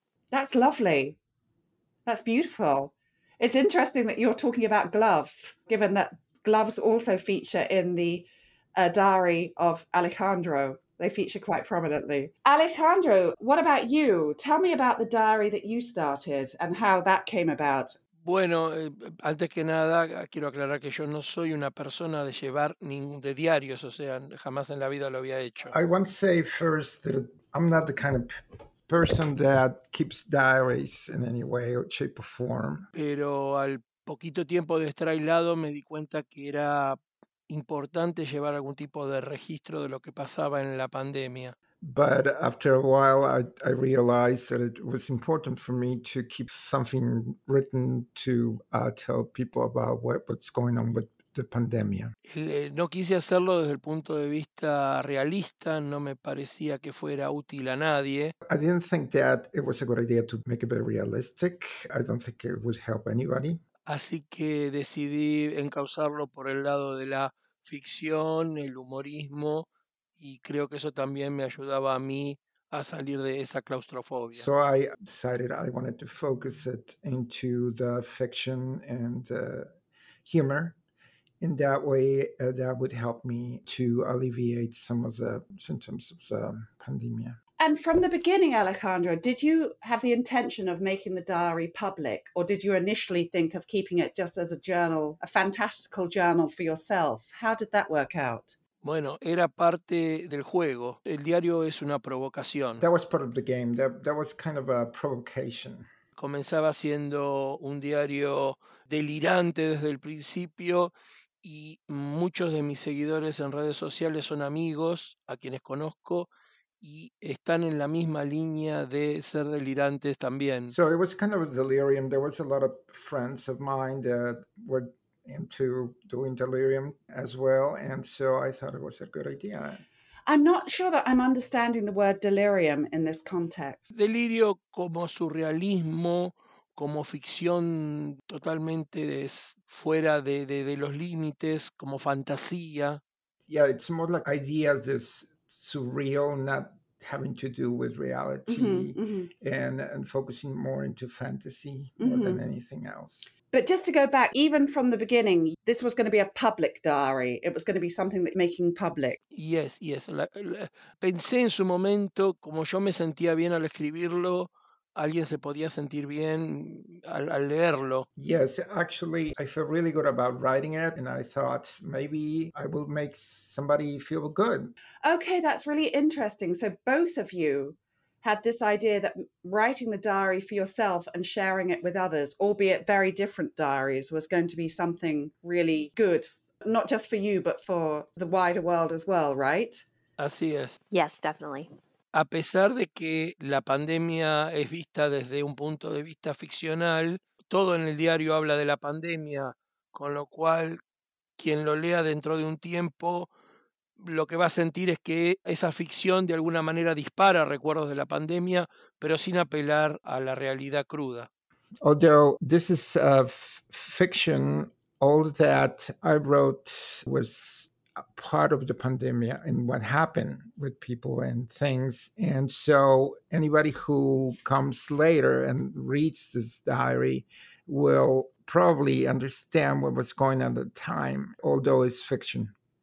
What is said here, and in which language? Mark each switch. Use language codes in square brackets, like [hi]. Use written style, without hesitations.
[en] That's lovely. That's beautiful. It's interesting that you're talking about gloves, given that gloves also feature in the diary of Alejandro. They feature quite prominently. Alejandro, what about you? Tell me about the diary that you started and how that came about. [es] Bueno, antes que nada, quiero aclarar que yo no soy una persona de llevar ningún de diarios, o sea, jamás en la vida lo había hecho. [en] I want to say first that I'm not the kind of person that keeps diaries in any way or shape or form. [es] Pero al poquito tiempo de estar aislado me di cuenta que era importante llevar algún tipo de registro de lo que pasaba en la pandemia. [en] But after a while, I realized that it was important for me to keep something written to tell people about what's going on with the pandemia. [es] No quise hacerlo desde el punto de vista realista. No me parecía que fuera útil a nadie. [en] I didn't think that it was a good idea to make it very realistic. I don't think it would help anybody. [es] Así que decidí encauzarlo por el lado de la ficción, el humorismo, y creo que eso también me ayudaba a mí a salir de esa claustrofobia. [en] So I decided I wanted to focus it into the fiction and humor. In that way, that would help me to alleviate some of the symptoms of the pandemia. And from the beginning, Alejandro, did you have the intention of making the diary public, or did you initially think of keeping it just as a journal, a fantastical journal for yourself? How did that work out? [es] Bueno, era parte del juego. El diario es una provocación. [en] That was part of the game. That was kind of a provocation. [es] Comenzaba siendo un diario delirante desde el principio. Y muchos de mis seguidores en redes sociales son amigos a quienes conozco y están en la misma línea de ser delirantes también. [en] So it was kind of a delirium. There was a lot of friends of mine that were into doing delirium as well, and so I thought it was a good idea. I'm not sure that I'm understanding the word delirium in this context. [es] Delirio como surrealismo, como ficción totalmente fuera de los límites, como fantasía. [en] Yeah, it's more like ideas that's surreal, not having to do with reality, and focusing more into fantasy more than anything else. But just to go back, even from the beginning, this was going to be a public diary. It was going to be something that making public. Yes. [es] Pensé en su momento, como yo me sentía bien al escribirlo, alguien se podía sentir bien al leerlo. [en] Yes, actually, I felt really good about writing it, and I thought maybe I will make somebody feel good. Okay, that's really interesting. So both of you had this idea that writing the diary for yourself and sharing it with others, albeit very different diaries, was going to be something really good, not just for you, but for the wider world as well, right? [es] Así es. [en] Yes, definitely. [es] A pesar de que la pandemia es vista desde un punto de vista ficcional, todo en el diario habla de la pandemia, con lo cual quien lo lea dentro de un tiempo lo que va a sentir es que esa ficción de alguna manera dispara recuerdos de la pandemia, pero sin apelar a la realidad cruda. [en] Although this is fiction, all that I wrote was part of the pandemic and what happened with people and things. And so anybody who comes later and reads this diary will probably understand what was going on at the time, although it's fiction.